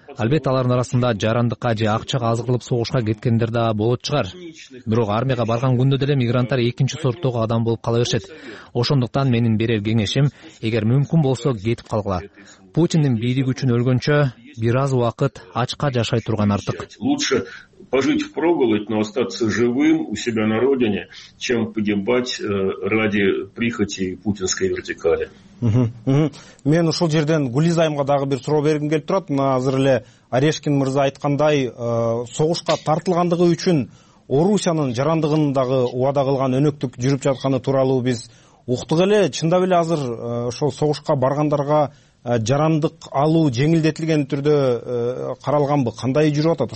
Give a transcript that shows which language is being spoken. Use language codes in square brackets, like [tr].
[ky] Албетте алардын арасында жарандыкка же акчага аз кылып согушка кеткендер да болот чыгар. Бирок армияга барган күндө деле мигранттар экинчи сорттогу адам болуп кала беришет. Ошондуктан менин берер кеңешим, эгер мүмкүн болсо кетип калгыла. Путиндин бийлиги үчүн өлгөнчө бир аз убакыт ачка жашай турган артык. [ru] Лучше пожить впроголодь, но остаться живым у себя на родине, чем погибать ради прихоти путинской вертикали. [ky] Мен ушул жерден Гулиз айымга дагы бир суроо бергим келип турат. Мына азыр эле Орешкин мырза айткандай, согушка тартылгандыгы үчүн Орусиянын жарандыгын дагы убада кылган өнөктүк жүрүп жатканы тууралуу биз уктук эле. Чындап эле азыр ошол согушка баргандарга жарандык алуу жеңилдетилген түрдө каралганбы? Кандай жүрүп атат?